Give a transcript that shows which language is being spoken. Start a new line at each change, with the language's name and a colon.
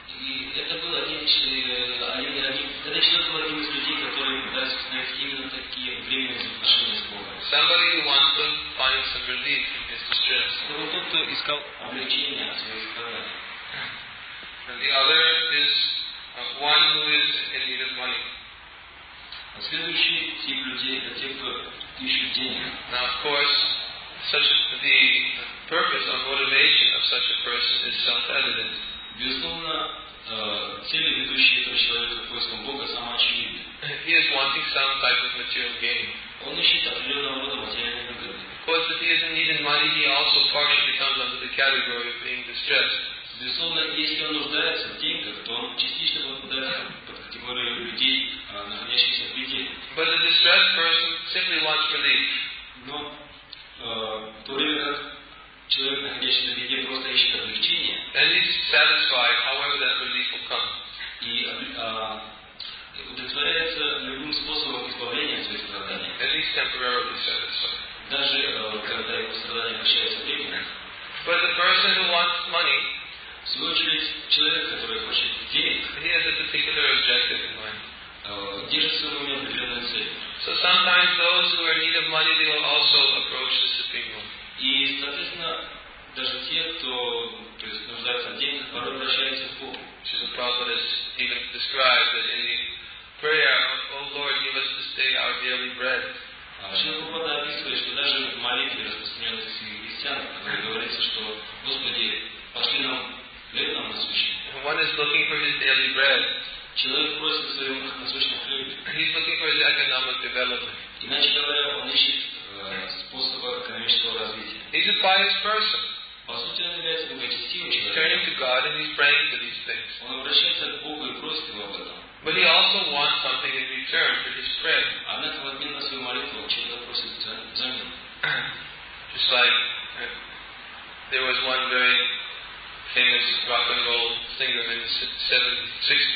Russian: И это был один из людей, которые пытаются установить именно такие временные отношения с Богом.
English: Somebody who wants to find some relief from his distress.
Russian: Это вот тот, кто искал облегчение от своих страданий.
English: And the other is one who is in need of money.
Russian: А следующий тип людей — это те, кто ищет денег.
English: Now, of course, such the purpose or motivation of such a person is self-evident.
Russian: Безусловно, цель, ведущая этого человека к поискам Бога, сама очевидна.
English: He is wanting some type of material gain.
Russian: Он ищет определенного рода материальные выгоды.
English: Of course, if he is in need of money, he also partially comes under the category of being distressed.
Russian: Безусловно, если он нуждается в деньгах, то он частично попадает под категорию людей, находящихся в беде.
English: But a distressed person simply wants relief.
Russian: Но то время как человек, находящийся в беде, просто ищет облегчение,
English: and is satisfied, however that relief will come.
Russian: И удовлетворяется любым способом избавления от своих страданий.
English: At least temporarily satisfied.
Russian: Даже когда его страдания вращаются временно.
English: But the person who wants money,
Russian: в свою очередь, человек, который хочет денег,
English: he has a particular objective in mind.
Russian: Держит свою уме определенную цель.
English: So sometimes those who are in need of money, they will also approach the Supreme Lord.
Russian: И, соответственно, даже те, кто нуждается в деньгах, порой обращаются к Богу.
English: So the Prophet has even described that in the prayer, O Lord, give us this day our daily bread.
Russian: Шрила Прабхупада описывает, что даже в молитве распространенных среди христиан, когда говорится, что Господи, пошли нам хлеб нам насущный.
English: One is looking for his daily bread.
Russian: Человек просит о своем насущном хлебе.
English: He's looking for his economic development.
Russian: Иначе говоря, он ищет способа экономического развития.
English: He's a pious person.
Russian: По сути, он является благочестивым человеком.
English: He's turning to God and he's praying for these things.
Russian: Он обращается к Богу и просит его об этом.
English: But he also wants something in return for his prayer.
Russian: Однако в обмен на свою молитву человек просит взамен.
English: Just like there was one very famous rock and roll singer in the